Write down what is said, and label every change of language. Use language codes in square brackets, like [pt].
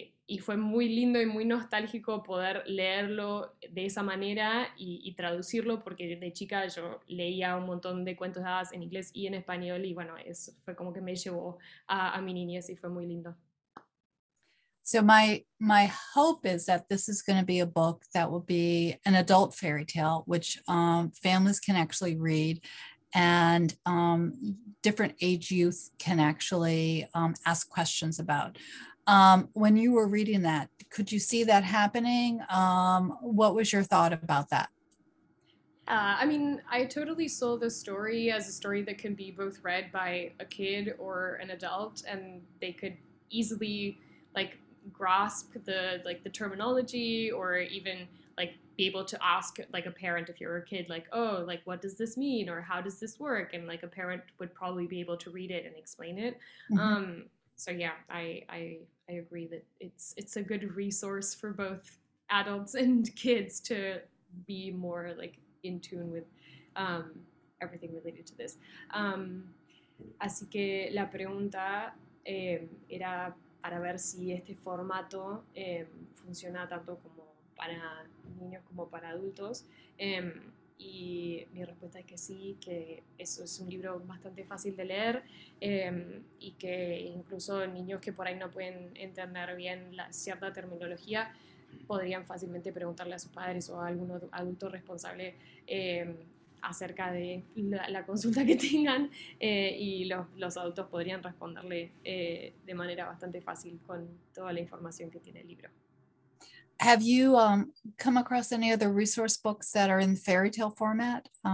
[es] Y fue muy lindo y muy nostálgico poder leerlo de esa manera y traducirlo, porque desde chica yo leía un montón de cuentos de hadas en inglés y en español, y bueno, eso fue como que me llevó a mi niñez y fue muy lindo. [en] So my hope is that this is going to be a book that will be an adult fairy tale, which families can actually read, and different age youth can actually ask questions about. When you were reading that, could you see that happening? What was your thought about that? I mean, I totally saw the story as a story that can be both read by a kid or an adult, and they could easily like grasp the terminology or even like be able to ask like a parent if you're a kid, like, oh, like what does this mean or how does this work? And like a parent would probably be able to read it and explain it. So yeah, I agree that it's a good resource for both adults and kids to be more like in tune with everything related to this. [es] Así que la pregunta era para ver si este formato funciona tanto como para niños como para adultos. Y mi respuesta es que sí, que eso es un libro bastante fácil de leer y que incluso niños que por ahí no pueden entender bien la cierta terminología podrían fácilmente preguntarle a sus padres o a algún adulto responsable acerca de la consulta que tengan y los adultos podrían responderle de manera bastante fácil con toda la información que tiene el libro. [en] Have you come across any other resource books that are in fairy tale format?